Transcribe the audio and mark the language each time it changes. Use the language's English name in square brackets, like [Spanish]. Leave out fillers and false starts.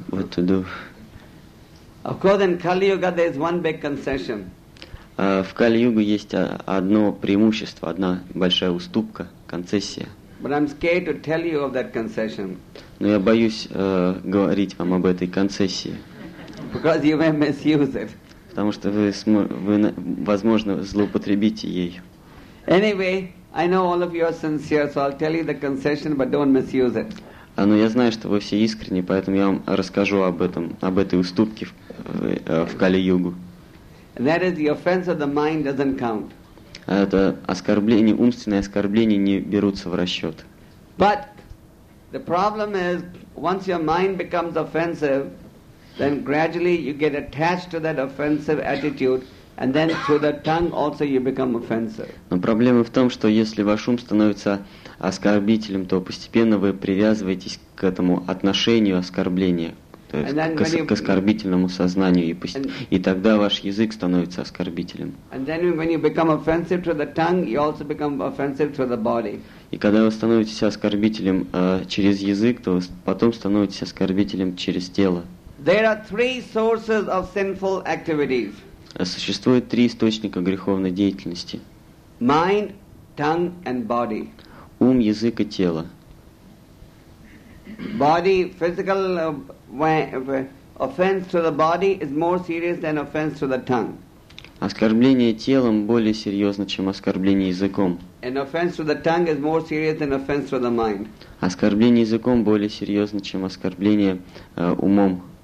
[English] If we think offensively against somebody just in mind, so what to do? Of course, in Kali Yuga there is one big concession. [Russian] В Кали-Югу есть одно преимущество, одна большая уступка, концессия. [English] But I'm scared to tell you of that concession. [Russian] Но я боюсь говорить вам об этой концессии. [English] Because you may misuse it. [Russian] Потому что вы, возможно, злоупотребите ей. [English] Anyway, I know all of you are sincere, so I'll tell you the concession, but don't misuse it. [Russian] Но я знаю, что вы все искренни, поэтому я вам расскажу об этом, об этой уступке в Кали-Югу. [English] And that is the offense of the mind doesn't count. [Russian] Это оскорбление, умственное оскорбление не берутся в расчет. [English] But The problem is, once your mind becomes offensive, then gradually you get attached to that offensive attitude, and then through the tongue also you become offensive. [Russian] Но проблема в том, что если ваш ум становится оскорбителем, то постепенно вы привязываетесь к этому отношению оскорбления, то есть к оскорбительному сознанию, и тогда ваш язык становится оскорбителем. [English] And then when you become offensive through the tongue, you also become offensive through the body. [Russian] И когда вы становитесь оскорбителем через язык, то вы потом становитесь оскорбителем через тело. [English] There are three sources of sinful activities. [Russian] Существует три источника греховной деятельности. [English] Mind, tongue and body. [Russian] Ум, язык и тело. [English] Body, physical offense to the body is more serious than offense to the tongue. [Russian] Оскорбление телом более серьезно, чем оскорбление языком. [English] An offense to the tongue is more serious than offense to the mind. [Russian] Оскорбление языком более серьезно, чем оскорбление умом.